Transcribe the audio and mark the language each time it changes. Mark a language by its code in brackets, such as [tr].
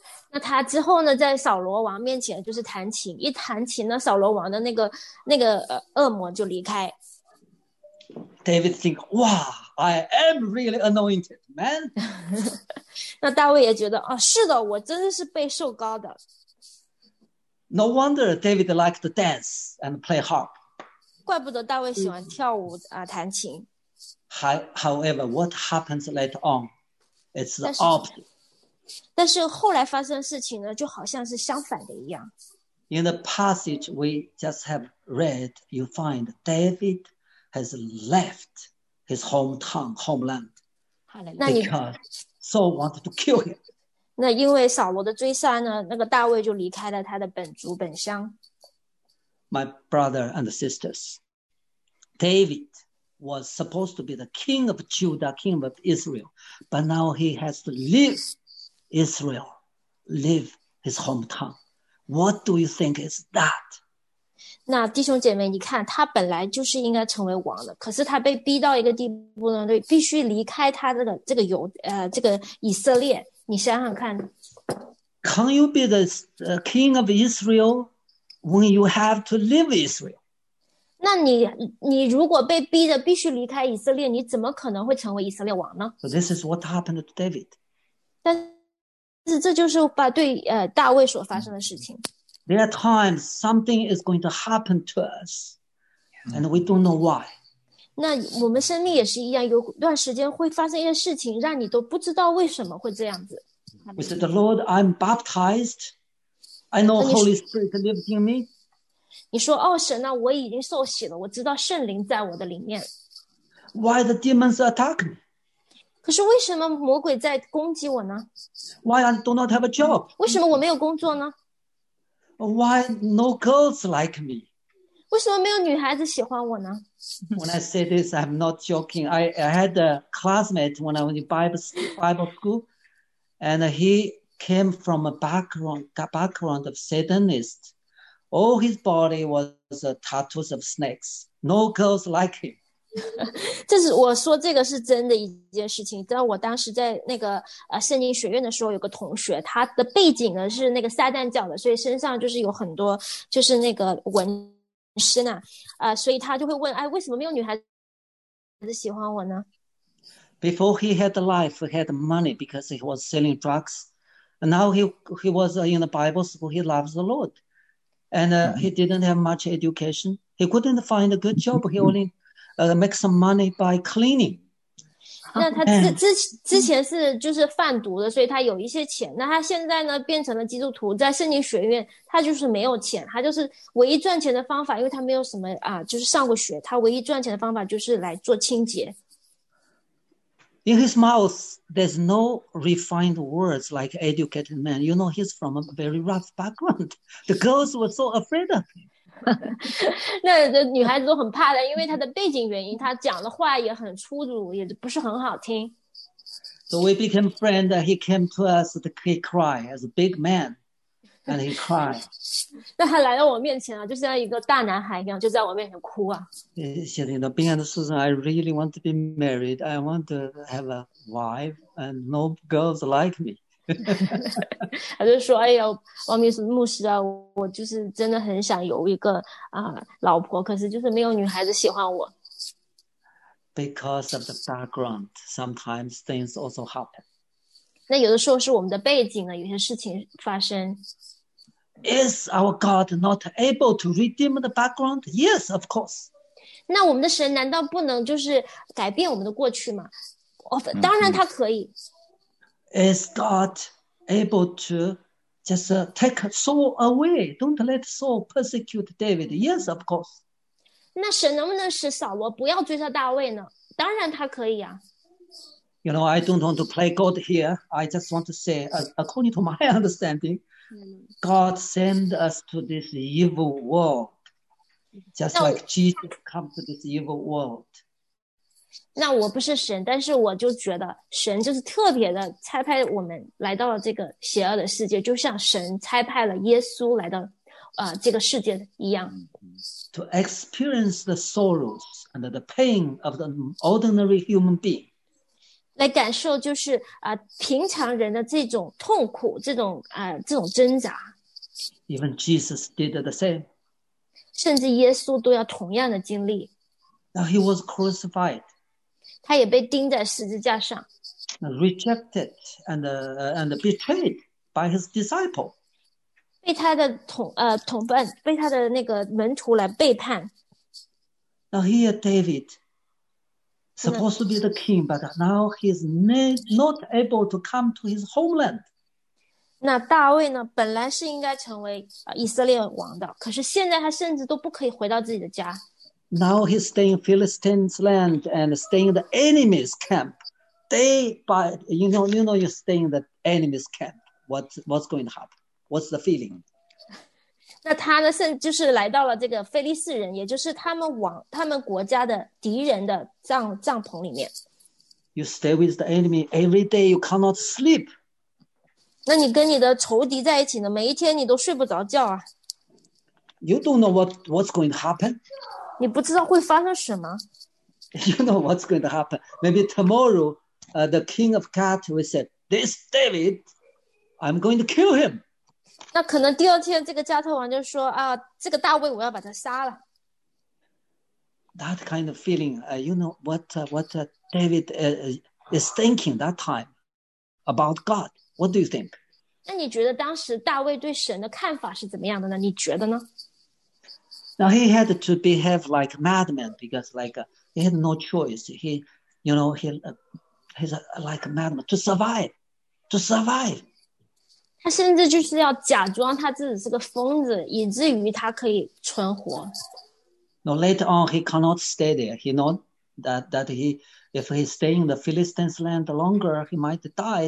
[zh] 那他之后呢，在扫罗王面前就是弹琴，一弹琴呢，扫罗王的恶魔就离开。 [en] David think, "Wow, I am really anointed, man." [zh] 那大卫也觉得，哦，是的，我真的是被受膏的。 [en] No wonder David liked to dance and play harp. [zh] 怪不得大卫喜欢跳舞啊，弹琴。 [en] However, what happens later on, it's the opposite. [zh] 但是后来发生事情呢，就好像是相反的一样。 [en] In the passage we just have read, you find David has left his hometown, homeland, because Saul wanted to kill him. [zh] 那因为扫罗的追杀呢，那个大卫就离开了他的本族本乡。 [en] My brother and sisters, David. Was supposed to be the king of Judah, king of Israel, but now he has to leave Israel, leave his hometown. What do you think is that? [zh] 那弟兄姐妹，你看他本来就是应该成为王的，可是他被逼到一个地步呢，对，必须离开他这个以色列。你想想看 [en] ，Can you be the king of Israel when you have to leave Israel? [zh] 那你如果被逼着必须离开以色列，你怎么可能会成为以色列王呢 [en] ？This is what happened to David. [zh] 但实这就是把对大卫所发生的事情。 [en] There are times something is going to happen to us, and we don't know why. [zh] 那我们生命也是一样，有段时间会发生一些事情，让你都不知道为什么会这样子。 [en] We said, "The Lord, I'm baptized. I know Holy Spirit lives in me." [zh] 你说，哦，神啊，我已经受洗了，我知道圣灵在我的里面。 [en] Why the demons attack me? [zh] 可是为什么魔鬼在攻击我呢 [en] ？Why I do not have a job? [zh] 为什么我没有工作呢？ [en] Why no girls like me? [zh] 为什么没有女孩子喜欢我呢 [en] ？When I say this, I'm not joking. I had a classmate when I was in Bible school, and he came from a background of Satanist. All his body was tattoos of snakes. No girls like him. [zh] 这是我说这个是真的一件事情。在我当时在那个圣经学院的时候，有个同学，他的背景呢是那个撒旦教的，所以身上就是有很多就是那个纹身啊，所以他就会问，哎，为什么没有女孩子喜欢我呢 [en] ？Before he had life, he had money because he was selling drugs, and now he was in the Bible school. He loves the Lord, and he didn't have much education. He couldn't find a good job. He only make some money by cleaning. [zh] 那他之前是就是贩毒的，所以他有一些钱。那他现在呢，变成了基督徒，在圣经学院，他就是没有钱，他就是唯一赚钱的方法，因为他没有什么就是上过学，他唯一赚钱的方法就是来做清洁。 [en] In his mouth, there's no refined words like educated man. You know, he's from a very rough background. The girls were so afraid of him. [zh] 那女孩子都很怕的，因为她的背景原因，她讲的话也很粗鲁，也不是很好听。 [en] So we became friends. He came to us. He cried as a big man, and he cried. [zh] 那他来到我面前啊，就像一个大男孩一样，就在我面前哭啊。 [en] He said, "You know, Susan, I really want to be married. I want to have a wife, and no girls like me." [zh] 他就说：“哎呀，王明是牧师啊，我就是真的很想有一个老婆，可是就是没有女孩子喜欢我。” [en] Because of the background, sometimes things also happen. [zh] 那有的时候是我们的背景呢，有些事情发生。 [en] Is our God not able to redeem the background? Yes, of course. [zh] 那我们的神难道不能就是改变我们的过去吗？当然他可以。 [en] Is God able to just take Saul away? Don't let Saul persecute David. Yes, of course. [zh] 那神能不能使扫罗不要追杀大卫呢？当然他可以啊。 [en] You know, I don't want to play God here. I just want to say, according to my understanding, God sent us to this evil world, just like Jesus came to this evil world. [zh] 那我不是神，但是我就觉得神就是特别的差派我们来到了这个邪恶的世界，就像神差派了耶稣来到这个世界一样。 [en] To experience the sorrows and the pain of the ordinary human being. [zh] 来感受就是平常人的这种痛苦，这种挣扎。 [en] Even Jesus did the same. [zh] 甚至耶稣都要同样的经历。 [en] Now he was crucified. [zh] 他也被钉在十字架上。 [en] Rejected and betrayed by his disciple. [zh] 被他的同伴被他的那个门徒来背叛。 [en] Now here David, supposed to be the king, but now he's not able to come to his homeland. [zh] 那大卫呢？本来是应该成为以色列王的，可是现在他甚至都不可以回到自己的家。 [en] Now he's staying in Philistine's land and staying in the enemy's camp. Day by, you know, you're staying in the enemy's camp. What's going to happen? What's the feeling? [zh] 那他呢？甚就是来到了这个非利士人，也就是他们国家的敌人的帐篷里面。 [en] You stay with the enemy every day. You cannot sleep. [zh] 那你跟你的仇敌在一起呢？每一天你都睡不着觉啊。 [en] You don't know what's going to happen. [zh] 你不知道会发生什么。 [en] You know what's going to happen? Maybe tomorrow, the king of Gath will say, "This David, I'm going to kill him." [zh] 那可能第二天，这个加特王就说啊，这个大卫，我要把他杀了。 [en] That kind of feeling, you know what David is thinking that time about God. What do you think? [zh] 那你觉得当时大卫对神的看法是怎么样的呢？你觉得呢？ [en] Now he had to behave like a madman because like he had no choice. He, you know, he, he's like a madman to survive, to survive. [zh] 他甚至就是要假装他自己是个疯子，以至于他可以存活。 [en] No, later on he cannot stay there. He knows that, that he, if he stay in the Philistines land longer, he might die.